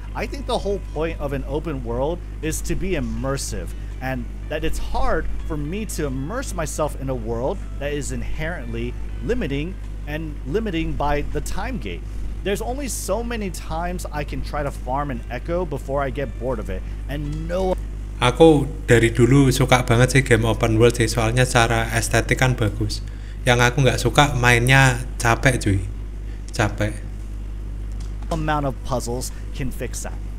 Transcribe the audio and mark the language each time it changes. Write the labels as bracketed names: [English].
[English] I think the whole point of an open world is to be immersive, and that it's hard for me to immerse myself in a world that is inherently limiting and limiting by the time gate. There's only so many times I can try to farm an echo before I get bored of it, and no. [Indonesian] Aku dari dulu suka banget sih game open world sih, soalnya cara estetik kan bagus. Yang aku nggak suka mainnya capek cuy, capek. [English] Amount of puzzles can fix that.